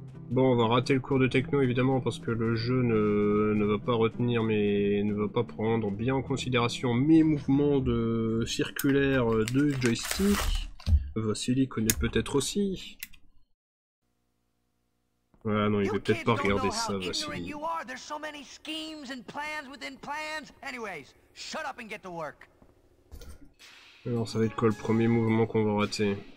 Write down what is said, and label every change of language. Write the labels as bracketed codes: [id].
[fr] Bon, on va rater le cours de techno, évidemment, parce que le jeu ne va pas retenir, mais ne va pas prendre bien en considération mes mouvements de circulaire de joystick. Vassili connaît peut-être aussi. Ah non, il veut peut-être pas regarder ça, Vassili. [en] You are. There's so many schemes and plans within plans. Anyways, shut up and get to work. [fr] Alors, ça va être quoi le premier mouvement qu'on va rater?